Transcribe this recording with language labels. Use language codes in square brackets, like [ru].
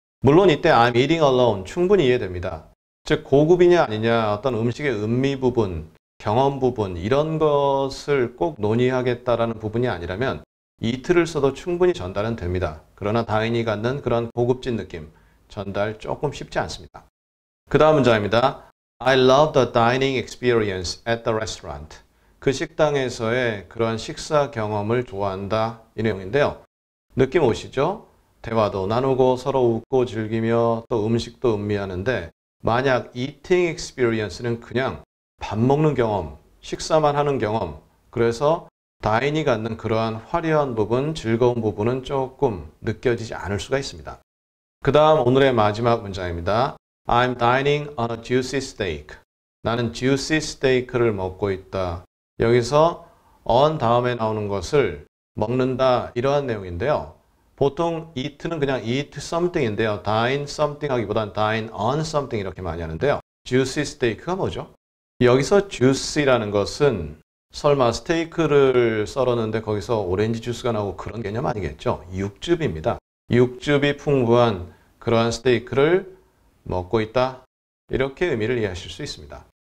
[ko] 물론 이때 [en] I'm eating alone [ko] 충분히 이해됩니다. 즉 고급이냐 아니냐, 어떤 음식의 음미 부분, 경험 부분 이런 것을 꼭 논의하겠다라는 부분이 아니라면 eat를 써도 충분히 전달은 됩니다. 그러나 다인이 갖는 그런 고급진 느낌 전달 조금 쉽지 않습니다. 그 다음 문장입니다. [en] I love the dining experience at the restaurant. [ko] 그 식당에서의 그런 식사 경험을 좋아한다, 이 내용인데요. 느낌 오시죠? 대화도 나누고 서로 웃고 즐기며 또 음식도 음미하는데 만약 eating experience는 그냥 밥 먹는 경험, 식사만 하는 경험, 그래서 다인이 갖는 그러한 화려한 부분, 즐거운 부분은 조금 느껴지지 않을 수가 있습니다. 그 다음 오늘의 마지막 문장입니다. [en] I'm dining on a juicy steak. [ko] 나는 juicy steak를 먹고 있다. 여기서 on 다음에 나오는 것을 먹는다, 이러한 내용인데요. 보통 eat는 그냥 eat something인데요. dine something 하기보단 [en] dine on something [ko] 이렇게 많이 하는데요. juicy steak가 뭐죠? 여기서 juicy라는 것은 설마 스테이크를 썰었는데 거기서 오렌지 주스가 나오고 그런 개념 아니겠죠? 육즙입니다. 육즙이 풍부한 그러한 스테이크를 먹고 있다, 이렇게 의미를 이해하실 수 있습니다.